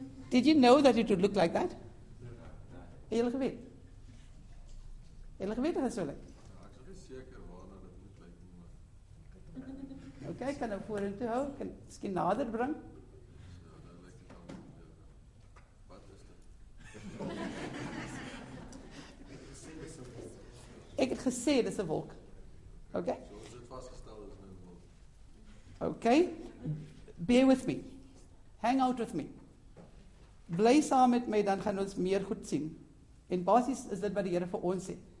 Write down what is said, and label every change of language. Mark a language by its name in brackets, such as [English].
[English] Did you know that it would look like that? [Afrikaans] Het julle geweet? Het julle geweet dat sou lyk? Ek is seker waarna dit moet lyk. Okay, kan ek vorentoe hou? Kan ek miskien nader bring? Ek het gesê, dit is een wolk. Okay? So, as dit vastgestel is, nou een wolk. [English] Okay? Bear with me. Hang out with me. [Afrikaans] Bly saam met my, dan gaan ons meer goed sien. En basis is dit wat die Here vir ons sê.